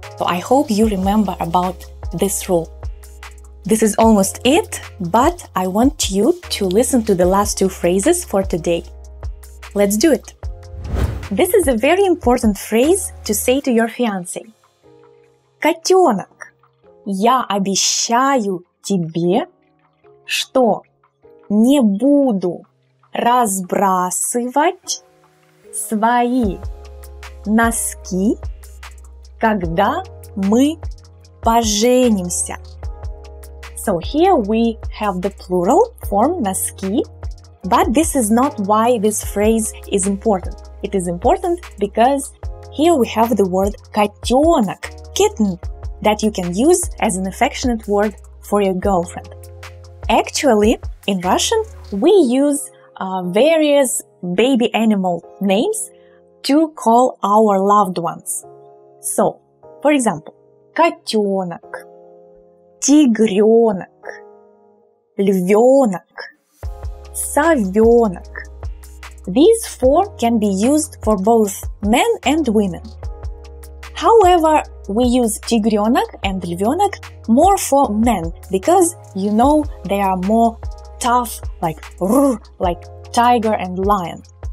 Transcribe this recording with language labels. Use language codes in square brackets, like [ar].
[en] So I hope you remember about this rule. This is almost it, but I want you to listen to the last two phrases for today. Let's do it. This is a very important phrase to say to your fiancé. [ru] Котенок, я обещаю тебе, что не буду разбрасывать свои носки, когда мы поженимся. [en] So here we have the plural form носки, but this is not why this phrase is important. It is important because here we have the word котенок, kitten, that you can use as an affectionate word for your girlfriend. Actually, in Russian, we use various baby animal names to call our loved ones. So, for example, котенок. [ru] Тигрёнок, львёнок, совёнок. [en] These four can be used for both men and women. However, we use тигрёнок and львёнок more for men because, you know, they are more tough, like tiger and lion.